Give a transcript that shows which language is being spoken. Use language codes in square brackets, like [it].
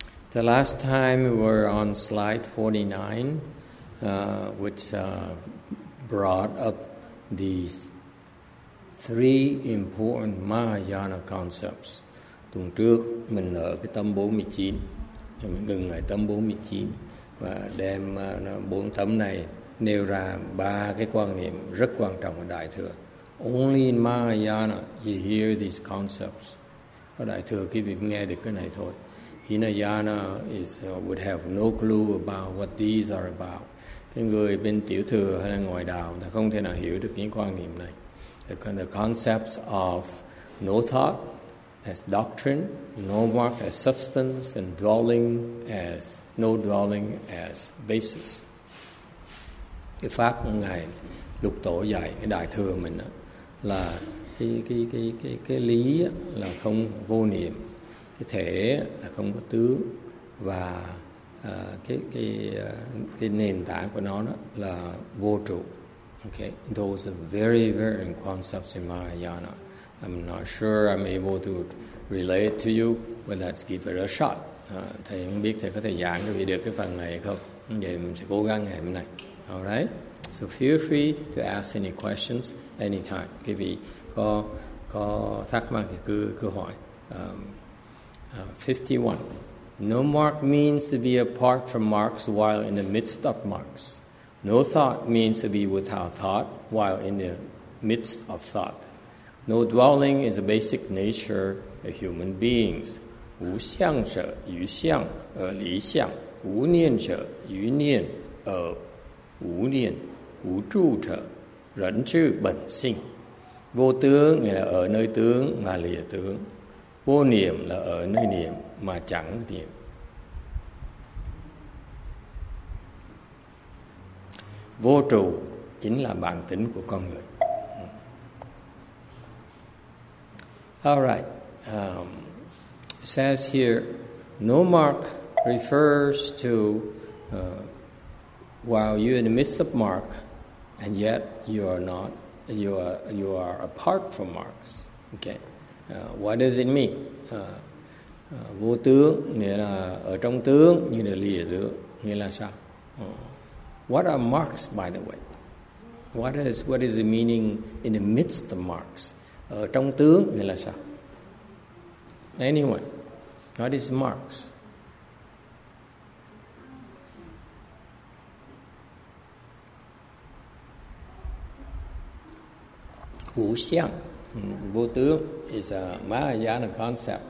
[en] The last time we were on slide 49, which brought up these three important Mahayana concepts. [vi] Tuần trước mình ở cái tấm 49, mình ngừng ở tấm 49 và đem bốn tấm này nêu ra ba cái quan niệm rất quan trọng ở Đại thừa. [en] Only in Mahayana you hear these concepts. [vi] Ở Đại thừa quý vị nghe được cái này thôi. [en] Hinayana is would have no clue about what these are about. [vi] Cái người bên tiểu thừa hay là ngoài đạo thì không thể nào hiểu được những quan niệm này. [en] The concepts of no thought as doctrine, no mark as substance, and dwelling as no dwelling as basis. [vi] Cái pháp của ngài lục tổ dạy cái đại thừa mình đó, là cái lý là không vô niệm. Cái thể là không có tướng và cái nền tảng của nó là vô trụ. [en] Okay, those are very very important concepts in Mahayana. I'm not sure I'm able to relate to you, but let's give it a shot. [vi] Thầy không biết thầy có thể giảng cho vị được cái phần này không? Vậy mình sẽ cố gắng ngày hôm nay. [en] Alright, so feel free to ask any questions anytime. [vi] Quý vị có thắc mắc thì cứ hỏi. [en] 51. No mark means to be apart from marks while in the midst of marks. No thought means to be without thought while in the midst of thought. No dwelling is the basic nature of human beings. [zh] 无相者于相而离相, 无念者于念而无念, 无住者人之本性. [vi] Vô tướng nghĩa là ở nơi tướng mà lìa tướng. Vô niệm là ở nơi niệm mà chẳng niệm. Vô trụ chính là bản tính của con người. [en] All right. It says here, no mark refers to while you're in the midst of mark, and yet you are apart from marks. Okay. What does it mean? [vi] Vô tướng nghĩa là ở trong tướng như là lìa tướng nghĩa là sao? [en] What are marks, by the way? What is the meaning in the midst of marks? [vi] Ở trong tướng nghĩa là sao? [en] Anyone? What is marks? Hữu xiang. Vô tướng is a Mahayana concept.